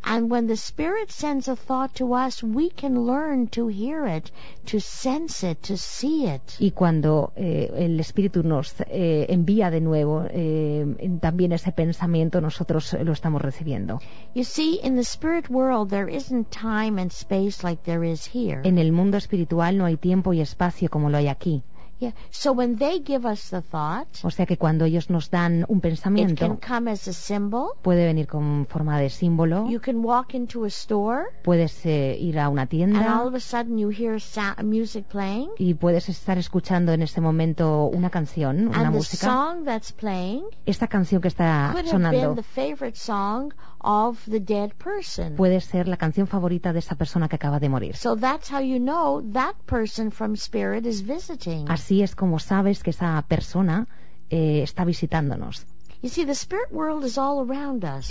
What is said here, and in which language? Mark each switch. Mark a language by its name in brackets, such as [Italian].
[English] and when the spirit sends a thought to us, we can learn to hear it, to sense it, to see it. [Spanish] Y cuando el espíritu nos envía de nuevo también ese pensamiento, nosotros lo estamos recibiendo. [English] You see, in the spirit world there isn't time and space like there is here. [Spanish] En el mundo espiritual no hay tiempo y espacio como lo hay aquí. [English] Yeah. So when they give us the thought, [Spanish] o sea que cuando ellos nos dan un pensamiento, [English] it can come as a symbol, [Spanish] puede venir con forma de símbolo. [English] You can walk into a store, [Spanish] puedes ir a una tienda, [English] and all of a sudden you hear music playing, [Spanish] y puedes estar escuchando en ese momento una canción, una [English] and [Spanish] música. [English] The song that's playing, [Spanish] esta canción que está [English] could [Spanish] sonando, [English] have been the favorite song of the dead person, [Spanish] puede ser la canción favorita de esa persona que acaba de morir. [English] So that's how you know that person from spirit is visiting. [Spanish] Así es como sabes que esa persona está visitándonos. [English] You see, the spirit world is all around us.